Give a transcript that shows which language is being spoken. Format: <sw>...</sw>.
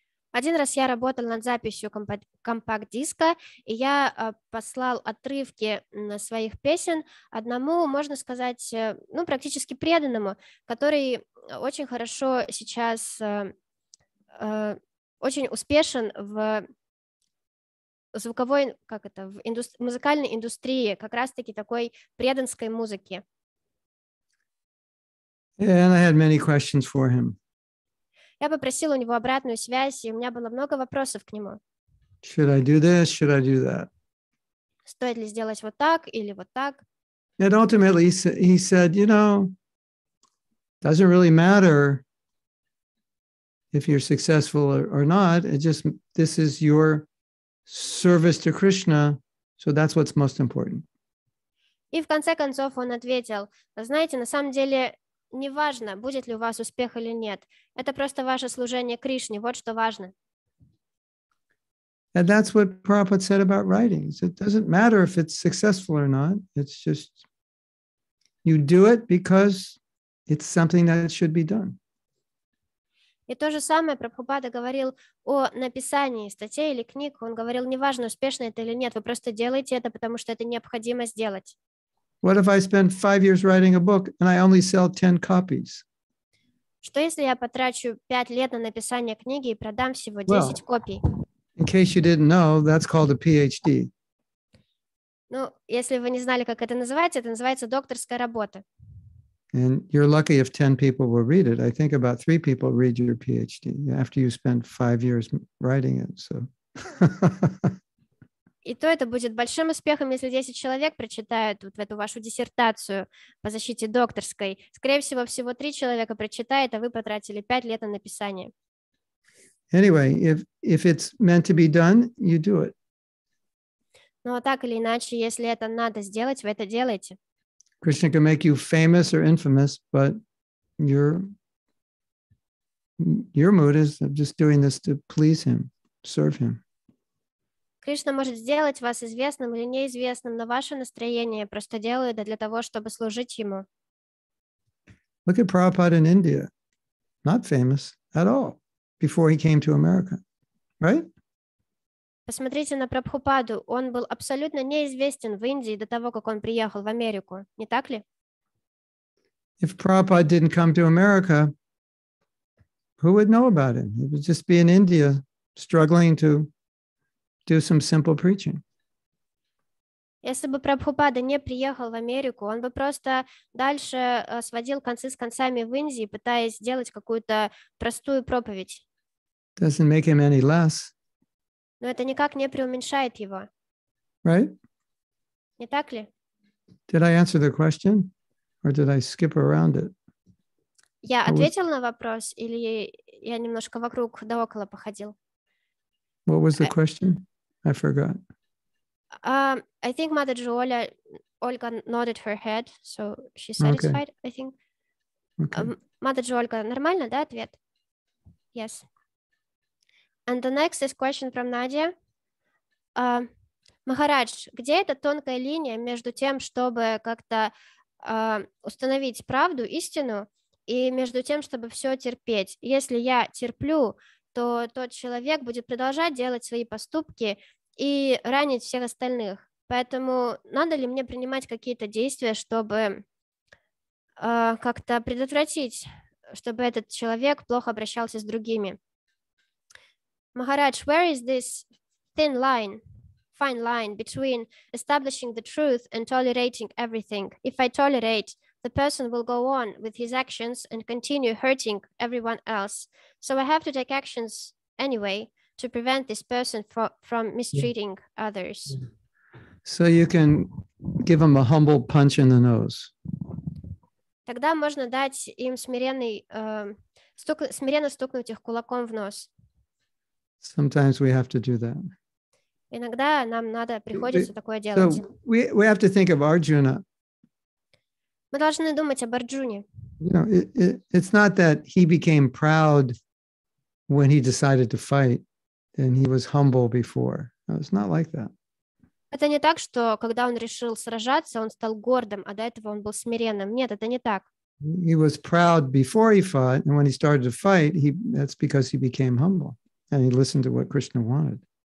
<ru>Один раз я работал над записью компакт-диска, и я послал отрывки своих песен одному, можно сказать, ну, практически преданному, который очень хорошо сейчас очень успешен в звуковой, как это, в музыкальной индустрии, как раз-таки такой преданской музыки.</ru> <en>And I had many questions for him.</en> <ru>Я попросила у него обратную связь, и у меня было много вопросов к нему.</ru> <en>Should I do this? Should I do that?</en> <ru>Стоит ли сделать вот так или вот так?</ru> <en>And ultimately he said, you know, doesn't really matter if you're successful or not. It just, this is your service to Krishna, so that's what's most important.</en> <ru>И в конце концов он ответил: знаете, на самом деле не важно, будет ли у вас успех или нет. Это просто ваше служение Кришне, вот что важно.</ru> <en>And that's what Prabhupada said about writings. It doesn't matter if it's successful or not. It's just you do it because it's something that should be done.</en> <ru>И то же самое Прабхупада говорил о написании статей или книг. Он говорил, неважно, успешно это или нет, вы просто делаете это, потому что это необходимо сделать.</ru> <en>What if I spend 5 years writing a book and I only sell 10 copies?</en> <ru>Что если я потрачу 5 лет на написание книги и продам всего 10 копий?</ru> <en>In case you didn't know, that's called a PhD.</en> <ru>Ну, если вы не знали, как это называется докторская работа.</ru> <en>And you're lucky if 10 people will read it. I think about 3 people read your PhD after you spend 5 years writing it. So.</en> <ru>И то это будет большим успехом, если 10 человек прочитают вот эту вашу диссертацию по защите докторской. Скорее всего, всего 3 человека прочитают, а вы потратили 5 лет на написание.</ru> <en>Anyway, if it's meant to be done, you do it.</en> <ru>Ну, а так или иначе, если это надо сделать, вы это делаете.</ru> <en>Krishna can make you famous or infamous, but your mood is I'm just doing this to please him, serve him.</en> <ru>Krishna может сделать вас известным или неизвестным, но ваше настроение просто делаю это для того, чтобы служить ему.</ru> <en>Look at Prabhupada in India, not famous at all before he came to America, right?</en> <ru>Посмотрите на Прабхупаду. Он был абсолютно неизвестен в Индии до того, как он приехал в Америку. Не так ли?</ru> <en>If Prabhupada didn't come to America, who would know about him? He would just be in India struggling to do some simple preaching.</en> <ru>Если бы Прабхупада не приехал в Америку, он бы просто дальше сводил концы с концами в Индии, пытаясь сделать какую-то простую проповедь.</ru> <en>Doesn't make him any less.</en> <ru>Но это никак не преуменьшает его.</ru> <en>Right?</en> <ru>Не так ли?</ru> <en>Did I answer the question? Or did I skip around it?</en> <ru>Я ответил на вопрос, или я немножко вокруг да около походил?</ru> <en>What was the question? I forgot. I think Mother Jolia, Olga nodded her head, so she's satisfied, okay. I think. Okay.</en> <ru>Mother Jolia, нормально, да, ответ?</ru> <en>Yes. And the next is question from Nadia.</en> <ru>Махарадж, где эта тонкая линия между тем, чтобы как-то установить правду, истину, и между тем, чтобы все терпеть? Если я терплю, то тот человек будет продолжать делать свои поступки и ранить всех остальных. Поэтому надо ли мне принимать какие-то действия, чтобы как-то предотвратить, чтобы этот человек плохо обращался с другими?</ru> <en>Махарадж, where is this thin line? Fine line between establishing the truth and tolerating everything. If I tolerate, the person will go on with his actions and continue hurting everyone else. So I have to take actions anyway to prevent this person from mistreating others. So you can give him a humble punch in the nose.</en> <ru>Тогда можно дать им смиренно стукнуть их кулаком в нос.</ru> <en>Sometimes we have to do that.</en> <ru>Иногда нам надо приходится такое делать.</ru> <en>So we have to think of Arjuna.</en> <ru>Мы должны думать об Арджуне.</ru> <en>You know, it's not that he became proud when he decided to fight, and he was humble before. No, it's not like that.</en> <ru>Это не так, что когда он решил сражаться, он стал гордым, а до этого он был смиренным. Нет, это не так.</ru> <en>He was proud before he fought, and when he started to fight, that's because he became humble and he listened to what Krishna wanted.</en>